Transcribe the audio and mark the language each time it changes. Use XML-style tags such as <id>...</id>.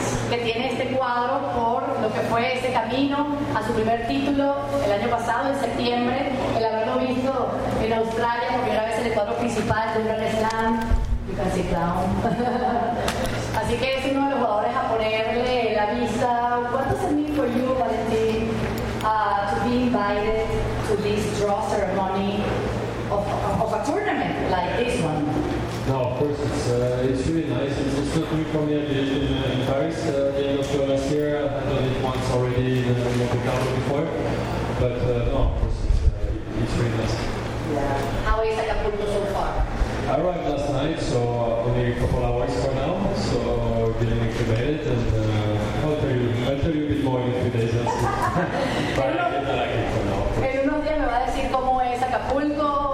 <es>que tiene este cuadro por lo que fue ese camino a su primer título el año pasado, en septiembre, el haberlo visto en Australia por primera vez en el cuadro principal de un Grand Slam y casi clown. Así que es uno de los jugadores a ponerle la vista.</es> <en>What does it mean for you, Valentín, to be invited to this draw ceremony of a tournament like this one? No, of course, it's really nice. It's just good to be from the aviation in Paris at the end of last year. I had done it once already in the Monte Carlo before. But no, of course, it's really nice. Yeah. How is Acapulco so far? I arrived last night, so only a couple hours for now. So getting acclimated. And I'll tell you a bit more in a few days. But I like it for now.</en> <es>En unos días me va a decir cómo es Acapulco.</es>